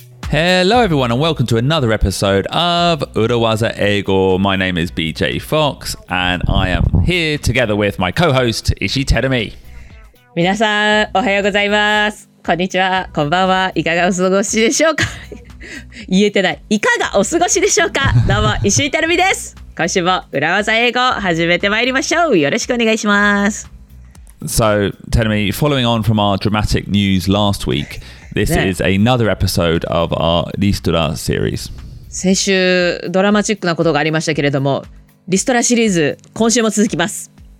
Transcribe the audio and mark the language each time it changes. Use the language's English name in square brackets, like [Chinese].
[English] Hello everyone and welcome to another episode of Urawaza Eigo. My name is BJ Fox and I am here together with my co-host Ishi Terumi. [Japanese] 皆さんおはようございます。こんにちは。こんばんは。いかがお過ごしでしょうか。言えてない。いかがお過ごしでしょうか。どうも Ishi Terumi です。今週も Urawaza Eigo 始めてまいりましょう。よろしくお願いします。 [English] So Terumi, following on from our dramatic news last week,This is another episode of our リストラ series. [Japanese] 先週ドラマチックなことがありましたけれども、リストラシリーズ今週も続きます。